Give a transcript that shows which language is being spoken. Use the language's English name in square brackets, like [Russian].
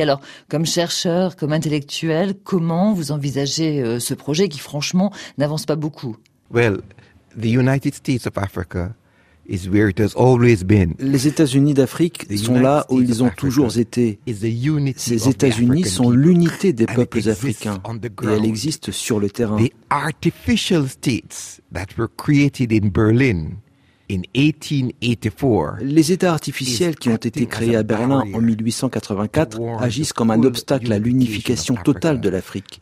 [French] Alors, comme chercheur, comme intellectuel, comment vous envisagez ce projet qui, franchement, n'avance pas beaucoup? [English] Well, the United States of Africa. Is where it has always been. [French] Les États-Unis d'Afrique sont là où ils ont toujours été. Ces États-Unis sont l'unité des peuples africains et elle existe sur le terrain. [English] The artificial states that were created in Berlin in 1884. [French] Les États artificiels qui ont été créés à Berlin en 1884 agissent comme un obstacle à l'unification totale de l'Afrique.